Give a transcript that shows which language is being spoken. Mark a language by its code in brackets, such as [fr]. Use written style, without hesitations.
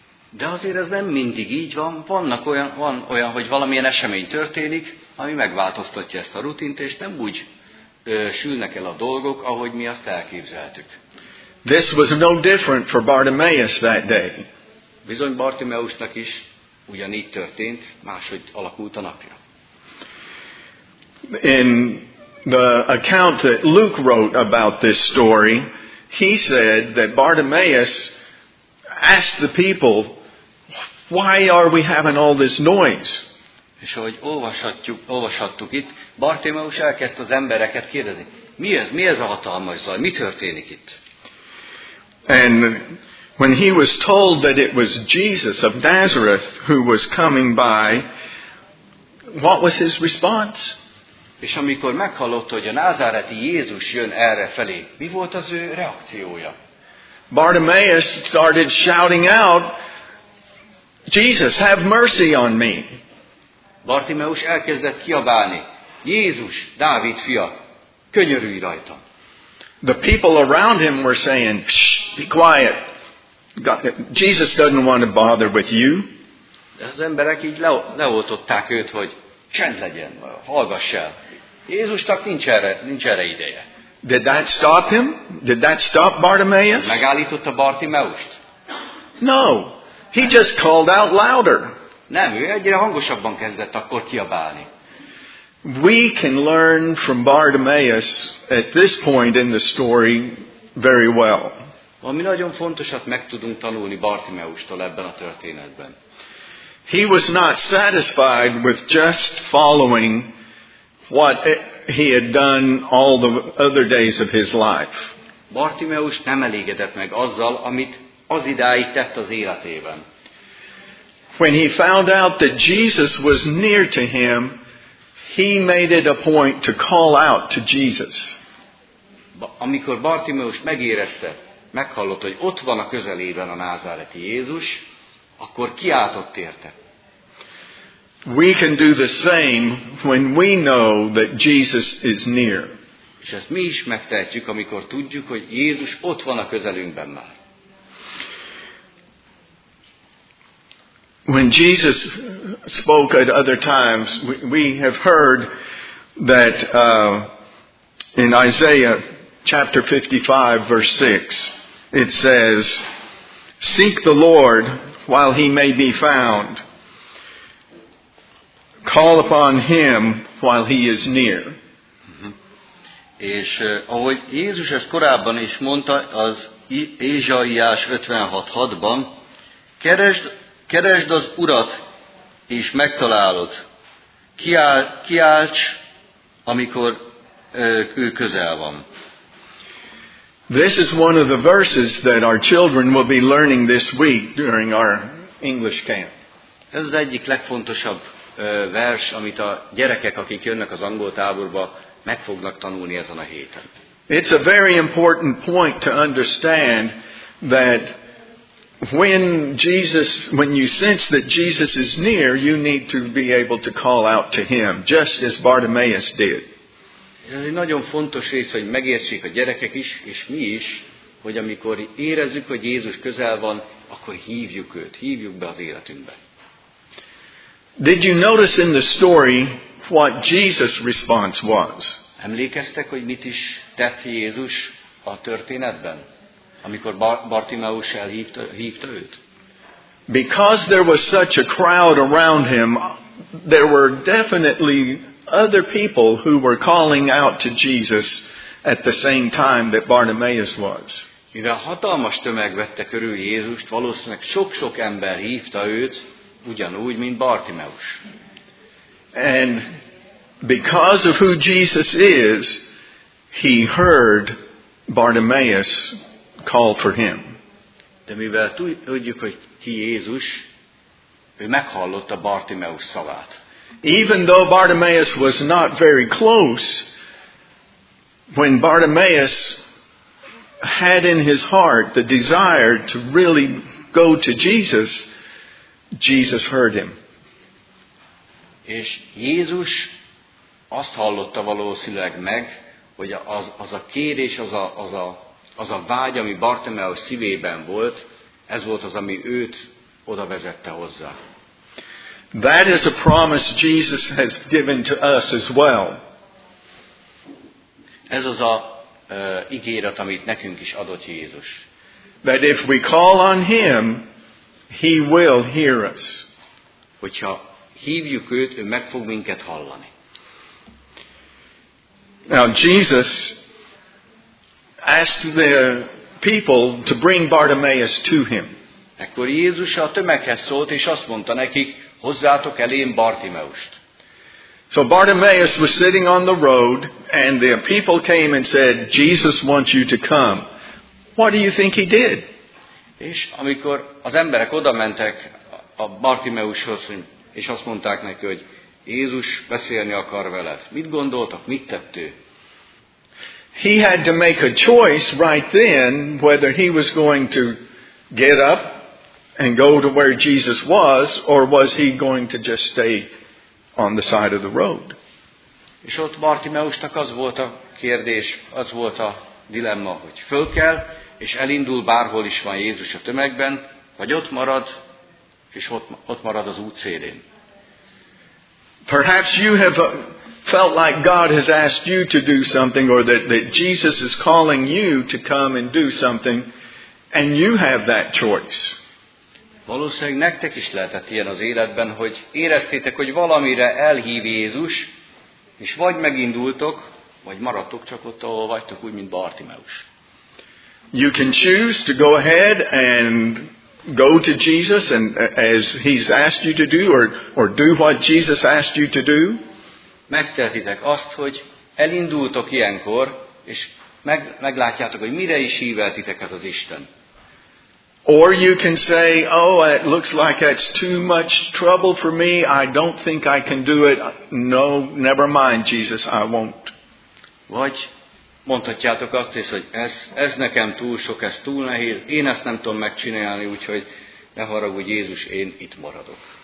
[hu] De azért ez nem mindig így van. Vannak olyan, hogy valamilyen esemény történik, ami megváltoztatja ezt a rutint, és nem úgy sülnek el a dolgok, ahogy mi azt elképzeltük. [en] This was no different for Bartimaeus that day. [hu] Bizony Bartimeusnak is ugyanígy történt, máshogy alakult a napja. [en] In the account that Luke wrote about this story, he said that Bartimaeus asked the people, "Why are we having all this noise?" [hu] És ahogy olvashattuk itt, Bartimeus elkezdte az embereket kérdezni, mi ez a hatalmas zaj, mi történik itt? [en] And when he was told that it was Jesus of Nazareth who was coming by, what was his response? [hu] És amikor meghallotta, hogy a názáreti Jézus jön erre felé, mi volt az ő reakciója? [en] Bartimaeus started shouting out, "Jesus, have mercy on me." [hu] Bartimeus elkezdett kiabálni, "Jézus, Dávid fia, könyörülj rajtam." [en] The people around him were saying, "Shh, be quiet. Jesus doesn't want to bother with you." [hu] Az emberek így leoltották őt, hogy csend legyen, hallgass el. Jézusnak nincs erre ideje. [en] Did that stop him? Did that stop Bartimaeus? [hu] Megállította Bartimeust? [en] No. He just called out louder. [hu] Nem, ő egyre hangosabban kezdett akkor kiabálni. [en] We can learn from Bartimaeus at this point in the story very well. [hu] Ami nagyon fontosat meg tudunk tanulni Bartimeustól ebben a történetben. [en] He was not satisfied with just following what he had done all the other days of his life. [hu] Bartimeus nem elégedett meg azzal, amit az idáig tett az életében. [en] When he found out that Jesus was near to him, he made it a point to call out to Jesus. [hu] Amikor Bartimeus megérezte, meghallott, hogy ott van a közelében a názáreti Jézus, akkor kiáltott érte. [en] We can do the same when we know that Jesus is near. [hu] És ezt mi is megtehetjük, amikor tudjuk, hogy Jézus ott van a közelünkben már. [en] When Jesus spoke at other times, we have heard that in Isaiah chapter 55, verse 6, it says, "Seek the Lord while he may be found. Call upon him while he is near." [hu] És ahogy Jézus ezt korábban is mondta, az Ézsaiás 56:6-ban, keresd az Urat, és megtalálod. Kiálts, amikor ő közel van. [en] This is one of the verses that our children will be learning this week during our English camp. [hu] Ez az egyik legfontosabb vers, amit a gyerekek, akik jönnek az angol táborba, meg fognak tanulni ezen a héten. [en] It's a very important point to understand that when you sense that Jesus is near, you need to be able to call out to him, just as Bartimaeus did. [hu] Ez egy nagyon fontos rész, hogy megértsék a gyerekek is, és mi is, hogy amikor érezzük, hogy Jézus közel van, akkor hívjuk őt, hívjuk be az életünkbe. [en] Did you notice in the story what Jesus' response was? [hu] Emlékeztek, hogy mit is tett Jézus a történetben, amikor Bartimeus hívta őt? [en] Because there was such a crowd around him, there were definitely other people who were calling out to Jesus at the same time that Bartimaeus was. [hu] Mivel hatalmas tömeg vette körül Jézust, valószínűleg sok-sok ember hívta őt, ugyanúgy, mint Bartimeus. [en] And because of who Jesus is, he heard Bartimaeus call for him. [hu] De mivel tudjuk, hogy ki Jézus, ő meghallotta Bartimeus szavát. [en] Even though Bartimaeus was not very close, when Bartimaeus had in his heart the desire to really go to Jesus, Jesus heard him. [hu] És Jézus azt hallotta valószínűleg meg, hogy az a kérés, az a vágy, ami Bartimeus szívében volt, ez volt az, ami őt oda vezette hozzá. [en] That is a promise Jesus has given to us as well. [hu] Ez az a ígéret, amit nekünk is adott Jézus. [en] That if we call on him, he will hear us. [hu] Hogyha hívjuk őt, ő meg fog minket hallani. [en] Now Jesus asked the people to bring Bartimaeus to him. [hu] Ekkor Jézus a tömeghez szólt, és azt mondta nekik, hozzátok elém Bartimeust. [en] So Bartimaeus was sitting on the road, and the people came and said, Jesus wants you to come. What do you think he did? [hu] És amikor az emberek oda mentek a Bartimeushoz, és azt mondták neki, hogy Jézus beszélni akar veled. Mit gondoltak, mit tett ő? [en] He had to make a choice right then whether he was going to get up and go to where Jesus was, or was he going to just stay on the side of the road. [hu] És ott Bartimeusnak az volt a kérdés, az volt a dilemma, hogy föl kell, és elindul bárhol is van Jézus a tömegben, vagy ott marad, és ott marad az út szélén. [en] Perhaps you have felt like God has asked you to do something, or that Jesus is calling you to come and do something, and you have that choice. [hu] Valószínűleg nektek is lehetett ilyen az életben, hogy éreztétek, hogy valamire elhív Jézus, és vagy megindultok, vagy maradtok csak ott, ahol vagytok, úgy, mint Bartimeus. [en] You can choose to go ahead and go to Jesus and as he's asked you to do, or do what Jesus asked you to do. [hu] Megtehetitek azt, hogy elindultok ilyenkor, és meglátjátok, hogy mire is hívettiteket az Isten. [en] Or you can say, oh, it looks like that's too much trouble for me. I don't think I can do it. No, never mind, Jesus, I won't. [hu] Vagy mondhatjátok azt is, hogy ez nekem túl sok, ez túl nehéz. Én ezt nem tudom megcsinálni, úgyhogy ne haragudj, Jézus, én itt maradok.